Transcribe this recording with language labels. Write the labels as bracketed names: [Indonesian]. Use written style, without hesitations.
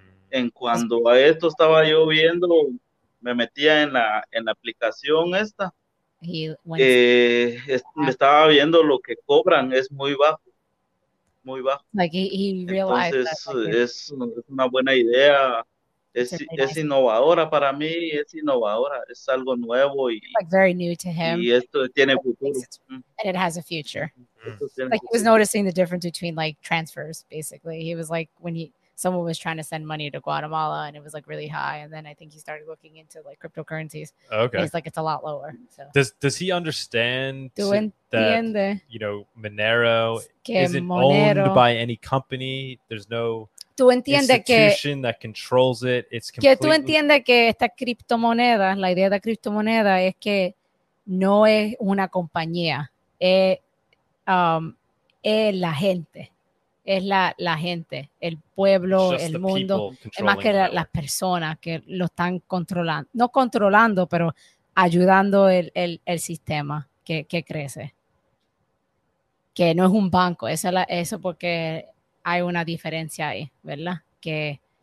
[Spanish] en cuanto a esto estaba yo viendo, me metía en la aplicación esta, me estaba viendo lo que cobran, es muy bajo, muy bajo. Entonces, es una buena idea. Es innovadora para mí, es innovadora, es algo nuevo y [English] like very new to him. [Spanish] Y esto tiene futuro. [English] And it has a future. Like he was noticing the difference between like transfers, basically. He was like when someone was trying to send money to Guatemala and it was like really high, and then I think he started looking into like cryptocurrencies. Okay. And he's like it's a lot lower. So does he understand that, you know, Monero isn't owned by any company? There's no [Spanish] Tú entiendes [English] institution [Spanish] que, [English] that controls it. It's [Spanish] que tú entiendes que esta criptomoneda, la idea de criptomoneda es que no es una compañía, es la gente, es la gente, el pueblo, el mundo, es más que las personas que lo están controlando, no controlando, pero ayudando el sistema que crece, que no es un banco, eso porque... Hay una diferencia ahí, ¿verdad? Que